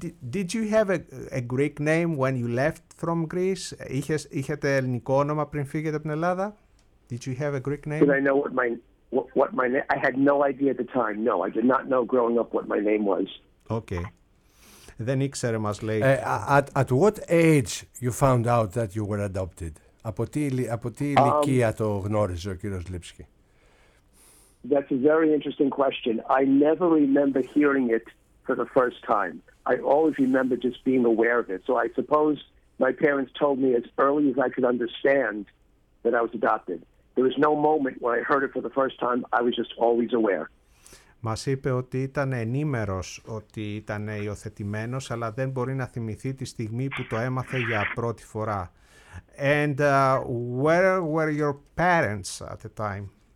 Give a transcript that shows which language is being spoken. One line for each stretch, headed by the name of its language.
English: Did you have a Greek name when you left from Greece?
Greek: Είχετε ελληνικό όνομα πριν φύγετε από την Ελλάδα?
English: Did you have a Greek name? Did I know what my name? I had no idea at the time. No, I did not know growing up what my name was.
Greek: Okay. Δεν ήξερε, μας λέει.
English: At what age you found out that you were adopted?
Greek: Από τι ηλικία το γνώριζε ο κύριος Λίψκι?
English: That's a very interesting question. I never remember hearing it for the first time. I always remember just being aware of it. So I suppose my parents told me as early as I could understand that I was adopted. There was no moment when I heard it for the first time. I was just always aware.
Greek: Μας είπε ότι ήταν ενήμερος ότι ήταν υιοθετημένος, αλλά δεν μπορεί να θυμηθεί τη στιγμή που το έμαθε για πρώτη φορά.
English: And where were your parents at the time?